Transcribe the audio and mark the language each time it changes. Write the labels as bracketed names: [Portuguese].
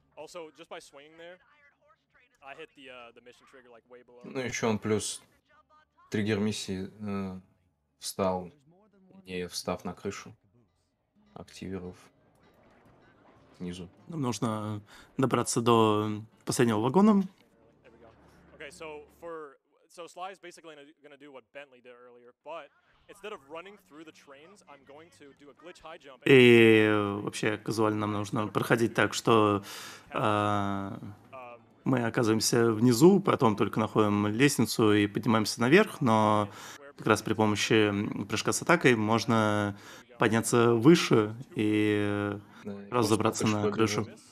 [English] Also, just by swinging there, I hit the mission trigger, like, way below. [Russian] Ну, еще он плюс триггер миссии встал, не встав на крышу, активировав снизу. Нам нужно добраться до последнего вагона. [English] Okay, so for so Sly is basically gonna do what Bentley did earlier, but instead of running through the trains, I'm going to do a glitch high jump. [Russian] И вообще казуально нам нужно проходить так, что мы оказываемся внизу, потом только находим лестницу и поднимаемся наверх, но как раз при помощи прыжка с атакой можно подняться выше и сразу забраться на крышу.